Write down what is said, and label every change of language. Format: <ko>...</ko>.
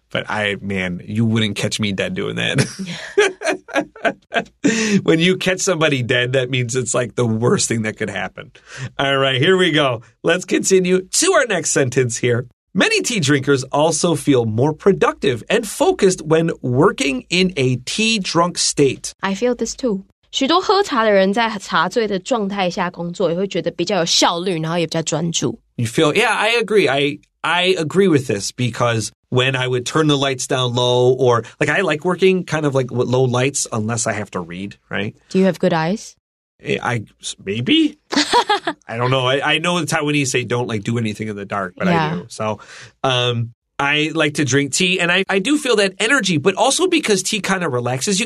<en>But I, man, you wouldn't catch me dead doing that. When you catch somebody dead, that means it's like the worst thing that could happen. All right, here we go. Let's continue to our next sentence here. Many tea drinkers also feel more productive and focused when working in a tea drunk state. I feel this too.</en> <zh>许多喝茶的人在茶醉的状态下工作也会觉得比较有效率，然后也比较专注。</zh> <en>You feel, yeah, I agree. I agree with this because when I would turn the lights down low or, like, I like working kind of like with low lights unless I have to read, right? Do you have good eyes? Maybe. I don't know. I know the Taiwanese say don't, like, do anything in the dark, but yeah. I do. So, I like to drink tea, and I do feel that energy, but also because tea kind of relaxes you.</en>